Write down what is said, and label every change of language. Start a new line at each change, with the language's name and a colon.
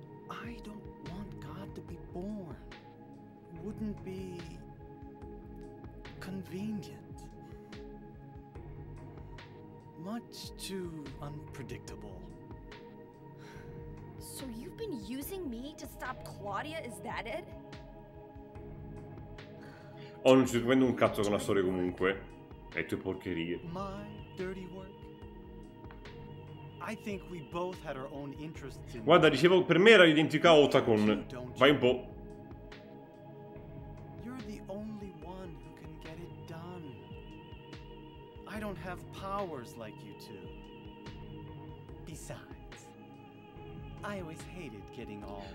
English: I don't want God to be born. Wouldn't be convenient. Much too unpredictable. So you've been using me to stop Claudia, is that it?
Italian: Oh, non ci prendo un cazzo con la storia comunque. E tue porcherie.
English: My dirty work. I think we both had our own interests in.
Italian: Guarda, dicevo, per me era identica a Otacon. Vai un po'.
English: You're the only one who can get it done. I don't have powers like you two. Besides, I always hated getting all.